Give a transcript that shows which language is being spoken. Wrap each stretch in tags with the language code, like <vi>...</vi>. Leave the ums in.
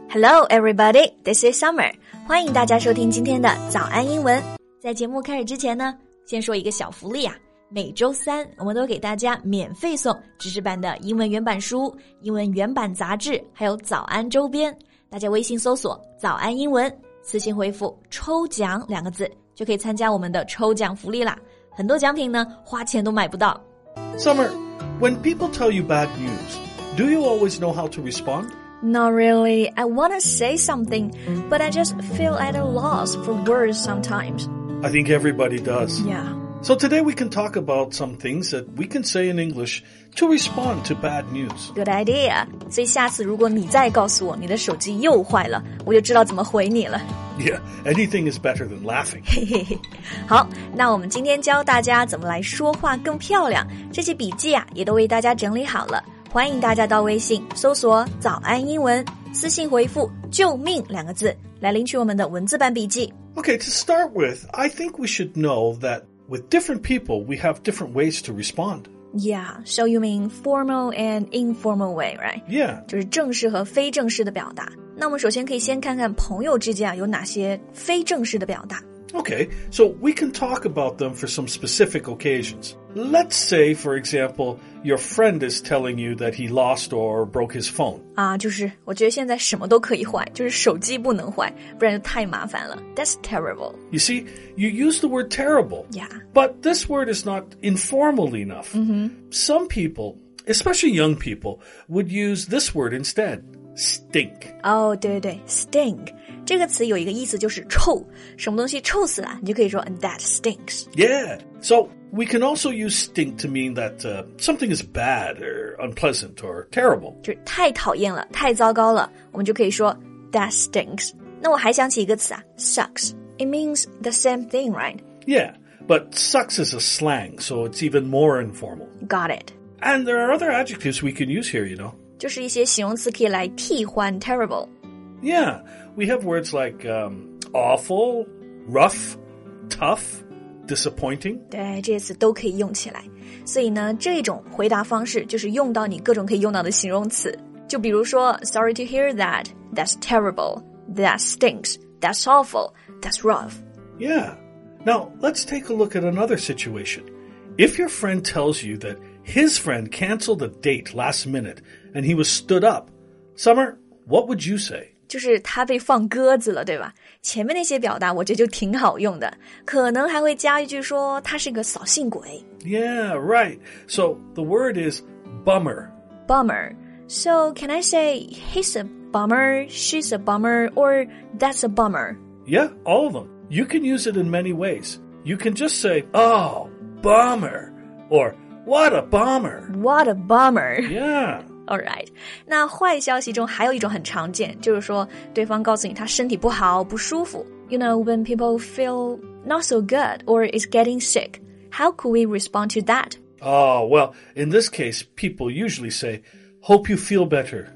<en>Hello everybody, this is Summer.</en> <zh>欢迎大家收听今天的早安英文。在节目开始之前呢，先说一个小福利啊。每周三我们都给大家免费送知识版的英文原版书、英文原版杂志，还有早安周边。大家微信搜索“早安英文”，私信回复“抽奖”两个字，就可以参加我们的抽奖福利啦。很多奖品呢，花钱都买不到。</zh> <en>Summer. When people tell you bad news, do you always know how to respond? Not really. I want to say something, but I just feel at a loss for words sometimes. I think everybody does. Yeah. So today we can talk about some things that we can say in English to respond to bad news. Good idea.</en> <zh>所以下次如果你再告诉我你的手机又坏了，我就知道怎么回你了。</zh> <en>Yeah, anything is better than laughing. 嘿嘿嘿。</en> <zh>好，那我们今天教大家怎么来说话更漂亮。这些笔记啊，也都为大家整理好了。欢迎大家到微信搜索“早安英文”，私信回复“救命”两个字来领取我们的文字版笔记。</zh> <en>Okay, to start with, I think we should know that. With different people, we have different ways to respond. Yeah, so you mean formal and informal way, right? Yeah.</en> <zh>就是正式和非正式的表达。那我们首先可以先看看朋友之间有哪些非正式的表达。</zh> <en>Okay, so we can talk about them for some specific occasions. Let's say, for example, your friend is telling you that he lost or broke his phone.</en> <zh>啊,就是我觉得现在什么都可以坏,就是手机不能坏,不然就太麻烦了。</zh> <en>That's uh, terrible. You see, you use the word terrible. Yeah. But this word is not informal enough. Mm -hmm. Some people, especially young people, would use this word instead stink。</en> <zh>哦，对对对，stink oh, 这个词有一个意思就是臭，什么东西臭死了，你就可以说</zh> <en>and that stinks。 Yeah, so we can also use stink to mean that、uh, something is bad or unpleasant or terrible。</en> <zh>就是太讨厌了，太糟糕了，我们就可以说</zh> <en>that stinks。</en> <zh>那我还想起一个词啊，sucks。</zh> <en>It means the same thing, right? Yeah, but sucks is a slang, so it's even more informal. Got it. And there are other adjectives we can use here, you know.</en> <zh>就是一些形容词可以来替换 terrible。</zh> <en>Yeah, we have words like um, awful, rough, tough, disappointing. disappointing。</en> <zh>对，这些词都可以用起来。所以呢，这种回答方式就是用到你各种可以用到的形容词。就比如说，</zh> <en>Sorry to hear that. That's terrible. That stinks. That's awful. That's rough. Yeah. Now let's take a look at another situation. If your friend tells you that his friend canceled a date last minute and he was stood up. Summer, what would you say?</en> <zh>就是他被放鸽子了，对吧？前面那些表达我觉得就挺好用的，可能还会加一句说他是个扫兴鬼。</zh> <en>Yeah, right. So the word is bummer. Bummer. So can I say he's a bummer, she's a bummer, or that's a bummer? Yeah, all of them. You can use it in many ways. You can just say, "Oh, bummer," or. What a bummer! What a bummer! Yeah. All right，</en> <zh>那坏消息中还有一种很常见，就是说对方告诉你他身体不好、不舒服。</zh> <en>You know when people feel not so good or is getting sick, how could we respond to that? Oh well, in this case, people usually say, "Hope you feel better."</en>